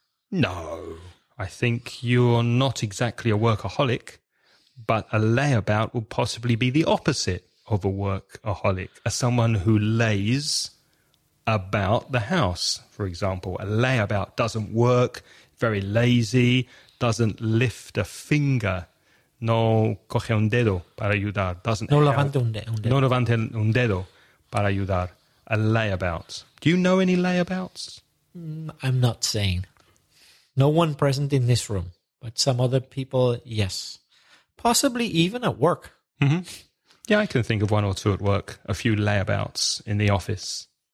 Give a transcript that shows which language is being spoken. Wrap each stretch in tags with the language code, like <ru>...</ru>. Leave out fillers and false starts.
<en>No, I think you're not exactly a workaholic. But a layabout would possibly be the opposite of a workaholic, someone who lays about the house. For example, a layabout doesn't work, very lazy, doesn't lift a finger.</en> <es>No coge un dedo para ayudar.</es> <en>Doesn't</en> <es>no levanta un dedo. No levanta un dedo para ayudar.</es> <en>A layabout. Do you know any layabouts? I'm not saying. No one present in this room, but some other people, yes. Possibly even at work. Mm-hmm. Yeah, I can think of one or two at work, a few layabouts in the office.</en>